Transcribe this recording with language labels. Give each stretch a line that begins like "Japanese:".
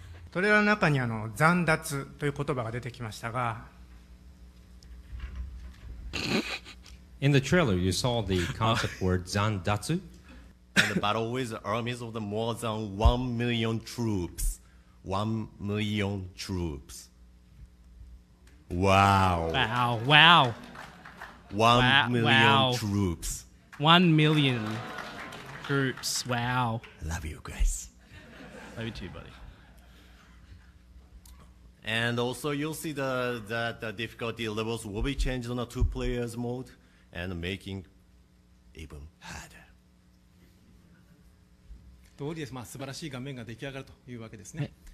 Japanese: トレーラーの中にあの残脱という言葉が出てきましたが
English: In the trailer, you saw the concept word 残脱 And the battle with the armies of the more than 1 million troops 1 million troops Wow Wow, wow 1 million wow. troops 1 million troops, wow Love you guys Love you too, buddy And also, you'll see that the difficulty levels will be changed on a two-player mode and making even harder.
Japanese: どうです、まあ、素晴らしい画面が出来上がるというわけですね。